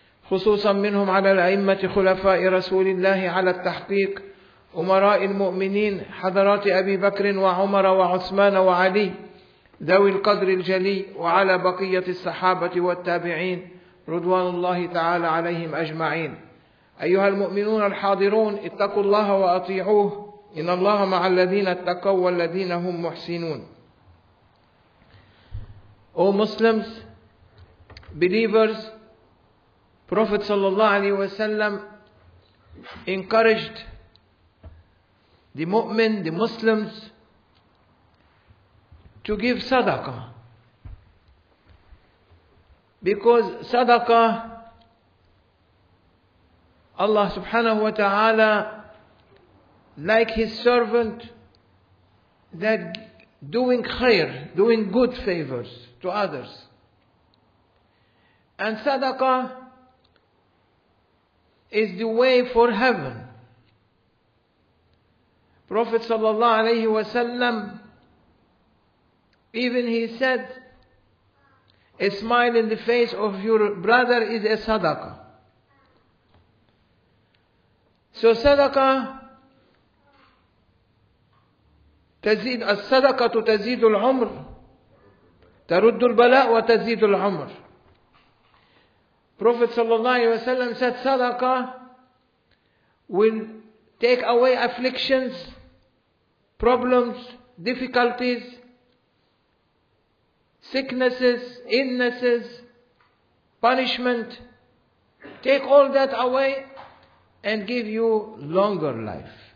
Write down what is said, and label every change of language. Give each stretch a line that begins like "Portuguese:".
Arabic: خصوصا منهم على الأئمة خلفاء رسول الله على التحقيق، أمراء المؤمنين حضرات أبي بكر وعمر وعثمان وعلي ذوي القدر الجلي، وعلى بقية الصحابة والتابعين رضوان الله تعالى عليهم أجمعين. أيها المؤمنون الحاضرون، اتقوا الله وأطيعوه، إن الله مع الذين اتقوا والذين هم محسنون.
English: O Muslims, believers, Prophet sallallahu alaihi wasallam encouraged the mu'min, the Muslims, to give sadaqah, because sadaqah Allah subhanahu wa ta'ala, like his servant, that doing khair, doing good favors to others. And sadaqah is the way for heaven. Prophet sallallahu alayhi wa sallam, even he said, a smile in the face of your brother is a sadaqah.
Arabic: So sadaqah, تزيد الصدقة تزيد العمر ترد البلاء وتزيد العمر.
English: Prophet sallallahu alaihi wasallam said sadaqah will take away afflictions, problems, difficulties, sicknesses, illnesses, punishment, take all that away and give you longer life.